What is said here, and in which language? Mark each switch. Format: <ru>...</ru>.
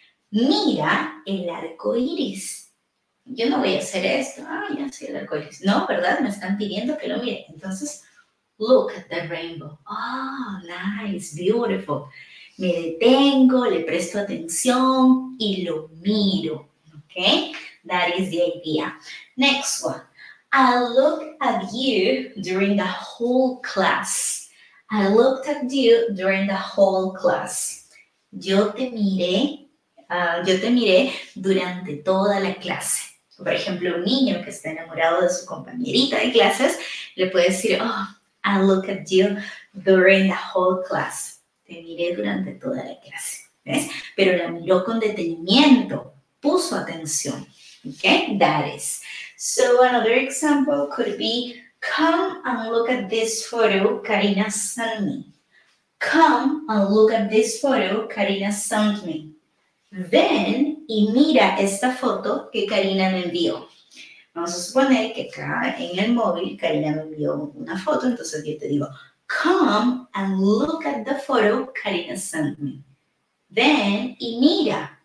<es>Mira el arco iris. Yo no voy a hacer esto. Ah, ya sé el arco iris. No, ¿verdad? Me están pidiendo que lo mire.</es> <en>Entonces, look at the rainbow. Oh, nice, beautiful.</en> <es>Me detengo, le presto atención y lo miro.</es> <en>¿Ok? That is the idea. Next one. I looked at you during the whole class. I looked at you during the whole class.</en> <es>Yo te miré durante toda la clase. Por ejemplo, un niño que está enamorado de su compañerita de clases le puede decir, oh,</es> <en>I look at you during the whole class.</en> <es>Te miré durante toda la clase. ¿Ves? Pero la miró con detenimiento. Puso su atención.</es> <en>Okay, that is. So another example could be, come and look at this photo Karina sent me. Come and look at this photo Karina sent me.</en> <es>Ven y mira esta foto que Karina me envió. Vamos a suponer que acá en el móvil Karina me envió una foto, entonces yo te digo,</es> <en>come and look at the photo Karina sent me.</en> <es>Ven y mira.</es>